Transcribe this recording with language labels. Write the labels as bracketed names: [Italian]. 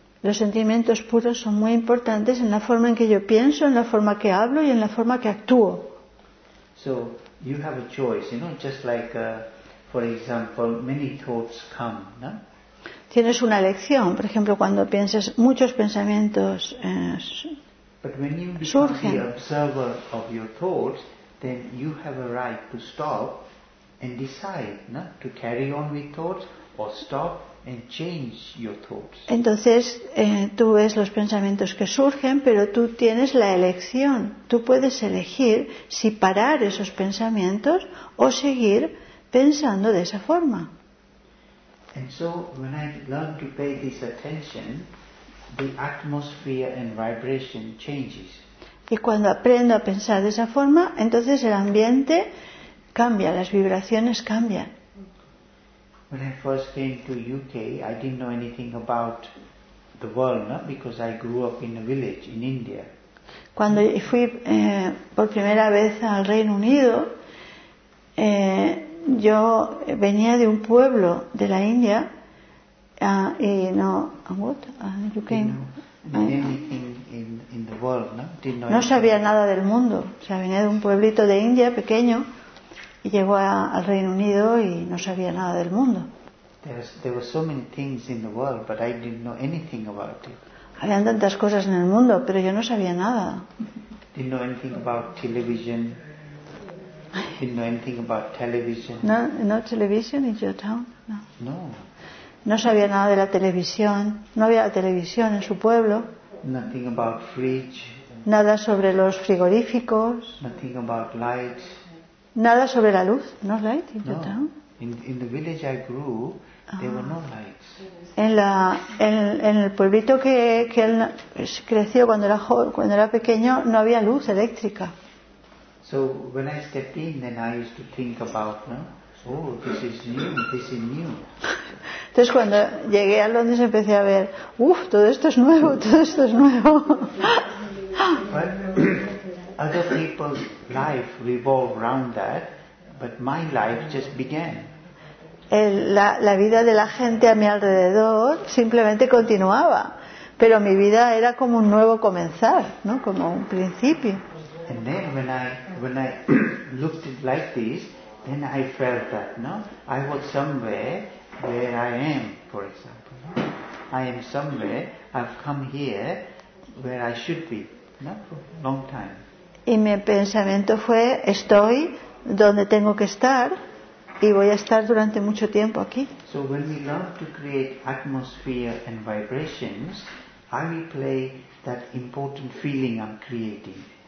[Spanish] Los sentimientos puros son muy importantes en la forma en que yo pienso, en la forma que hablo y en la forma que actúo. [English] So you have a choice, you know, just like for example, many thoughts come, no? [Spanish] Tienes una elección, por ejemplo, cuando piensas, muchos pensamientos surgen. [English] But when you become the observer of your thoughts, then you have a right to stop and decide, no? To carry on with thoughts or stop and change your thoughts. [Spanish] Entonces, tú ves los pensamientos que surgen, pero tú tienes la elección. Tú puedes elegir si parar esos pensamientos o seguir pensando de esa forma. [English] And so, when I learn to pay this attention, the atmosphere and vibration changes. [Spanish] Y cuando aprendo a pensar de esa forma, entonces el ambiente cambia, las vibraciones cambian. [English] When I first came to UK, I didn't know anything about the world, no? Because I grew up in a village in India. [Spanish] Cuando fui por primera vez al Reino Unido, yo venía de un pueblo de la India y no, [English] what? You came. In the world, no? Didn't know [Spanish] no sabía nada del mundo. O sea, venía de un pueblito de India pequeño y llegó al Reino Unido y no sabía nada del mundo. [English] There were so many things in the world, but I didn't know anything about it. [Spanish] Habían tantas cosas en el mundo, pero yo no sabía nada. [English] Didn't know anything about television. Didn't know anything about television. No television in your town. No. No. [Spanish] No sabía nada de la televisión. No había televisión en su pueblo. [English] Nothing about fridge. [Spanish] Nada sobre los frigoríficos. [English] Nothing about lights. [Spanish] Nada sobre la luz. [English] No light in your town. In the village I grew, there were no lights. [Spanish] En el pueblito que él creció cuando era pequeño, no había luz eléctrica. [English] So when I stepped in, then I used to think about, no? Oh, this is new. This is new. [Spanish] Entonces cuando llegué a Londres empecé a ver, uff, todo esto es nuevo, todo esto es nuevo. [English] Well, other people's life revolved around that, but my life just began. [Spanish] La vida de la gente a mi alrededor simplemente continuaba, pero mi vida era como un nuevo comenzar, ¿no? Como un principio. [English] And then when I looked at it like this, then I felt that, no? I was somewhere where I am, for example. I am somewhere, I've come here where I should be, no? For a long time. [Spanish] Y mi pensamiento fue, estoy donde tengo que estar y voy a estar durante mucho tiempo aquí. [English] So when we love to create atmosphere and vibrations, I replay that important feeling I'm creating.